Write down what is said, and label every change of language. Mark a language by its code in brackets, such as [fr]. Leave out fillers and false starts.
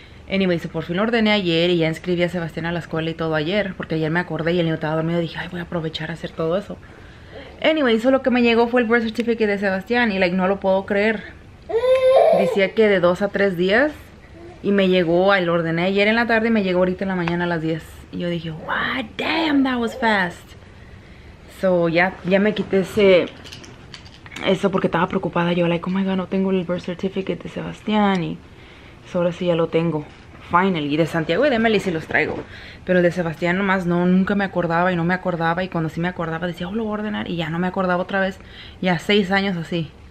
[es] Anyway, so por fin lo ordené ayer y ya inscribí a Sebastián a la escuela y todo ayer, porque ayer me acordé y el niño estaba dormido y dije, ay, voy a aprovechar a hacer todo eso. Anyway, eso lo que me llegó fue el birth certificate de Sebastián y, like, no lo puedo creer. decía que de 2 a 3 días. Y me llegó, lo ordené ayer en la tarde y me llegó ahorita en la mañana a las 10. Y yo dije, [en] wow, damn, that was fast. [es] So, ya me quité eso porque estaba preocupada. Yo, like, [en] oh my God, [es] no tengo el birth certificate de Sebastián. Y so, ahora sí ya lo tengo. Finally. Y de Santiago y de Emily sí los traigo. Pero el de Sebastián nomás no, nunca me acordaba y no me acordaba. Y cuando sí me acordaba decía, lo voy a ordenar. Y ya no me acordaba otra vez. Ya 6 años así.